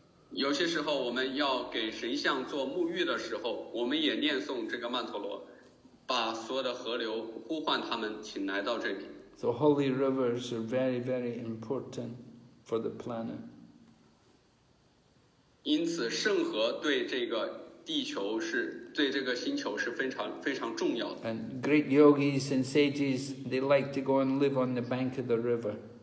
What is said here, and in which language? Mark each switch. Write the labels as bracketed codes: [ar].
[zh] 有些时候我们要给神像做沐浴的时候，我们也念诵这个曼陀罗，把所有的河流呼唤他们，请来到这里。 [en] So holy rivers are very, very important for the planet. [zh] 因此，圣河对这个地球是对这个星球是非常非常重要的。 [en] And great yogis and sages they like to go and live on the bank of the river.